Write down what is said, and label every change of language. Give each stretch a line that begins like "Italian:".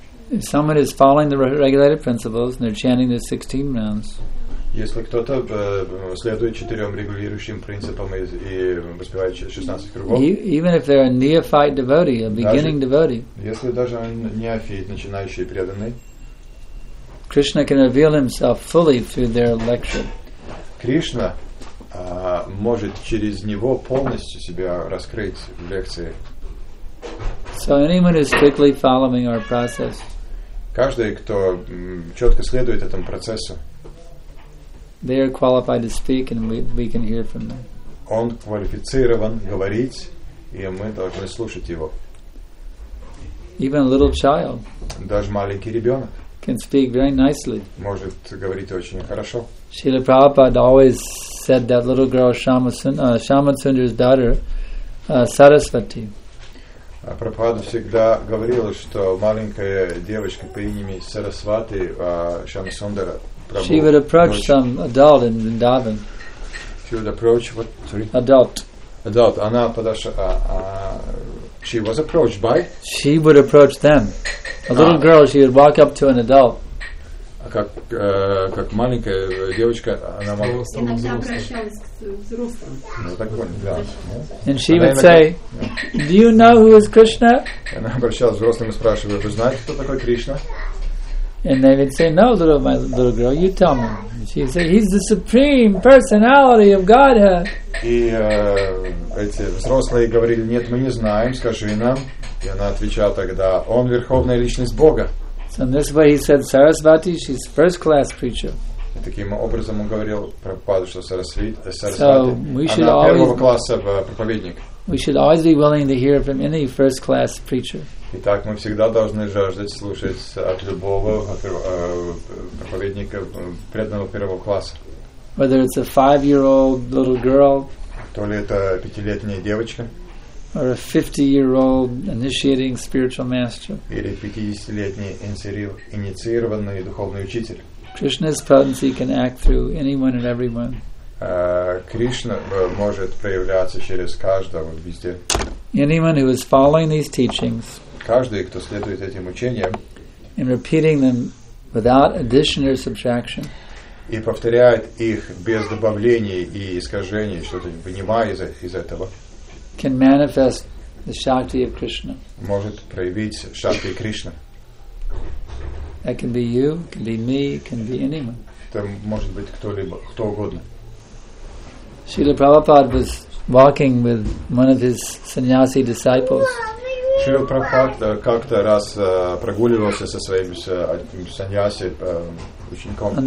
English: If someone is following the regulated principles and they're chanting the 16 rounds.
Russian: Если кто-то следует четырем регулирующим принципам и воспевает 16 кругов.
English: Even if they're a neophyte devotee, a beginning devotee.
Russian: Если даже он неофит, начинающий преданный.
English: Krishna can reveal himself fully through their lecture.
Russian: Кришна может через него полностью себя раскрыть в лекции.
English: So anyone who's strictly following our process.
Russian: Каждый, кто четко следует этому процессу.
English: They are qualified to speak, and we can hear from them.
Russian: Он квалифицирован говорить, и мы должны слушать его.
English: Even a little child.
Russian: Даже маленький ребенок.
English: Can speak very nicely.
Russian: Может говорить очень хорошо.
English: Srila Prabhupada always said that little girl, Shamasundar's daughter, Sarasvati.
Russian: Прабхупада всегда говорил, что маленькая девочка по имени Сарасвати, Шамасундара.
English: She would approach some adult in Vrindavan. She would approach what? Sorry. Adult. Adult.
Russian: Она подошла.
English: She was approached by. She would approach them. A little girl. She would walk up to an adult.
Russian: Как маленькая девочка, она могла. Иногда обращалась к взрослым.
English: And she would say, "Do you know who is Krishna?"
Russian: Она обращалась к взрослым и спрашивала: "Вы знаете, кто такой Кришна?"
English: And they would say, "No, little girl, you tell me." She would say, "He's the supreme personality of Godhead."
Russian: И эти взрослые говорили: "Нет, мы не знаем. Скажи нам." И она отвечала тогда: "Он верховная личность Бога."
English: So in this way, he said, "Sarasvati, she's first-class preacher."
Russian: И таким образом он говорил про Прабхупаду, что Сарасвати, она первого класса проповедник.
English: We should always be willing to hear from any first-class preacher.
Russian: Итак, мы всегда должны жаждать слушать от любого проповедника преданного первого класса.
English: Whether it's a five-year-old little girl,
Russian: то ли это пятилетняя девочка,
English: or a 50-year-old initiating spiritual master,
Russian: или 50-летний инициированный духовный учитель.
English: Krishna's potency can act through anyone and everyone.
Russian: Кришна может проявляться через каждого везде.
English: Anyone who is following these teachings.
Russian: Каждый, кто следует этим учениям,
English: and repeating them without addition or subtraction,
Russian: и повторяет их без добавлений и искажений, что-то вынимая из этого,
English: can manifest the Shakti of Krishna.
Russian: Может проявить Шакти Кришна.
English: That can be you, can be me, can be anyone.
Russian: Это может быть кто-либо, кто угодно.
English: Srila Prabhupada was walking with one of his sannyasi disciples.
Russian: Шрила Прабхупада как-то раз прогуливался со своим саньяси учеником.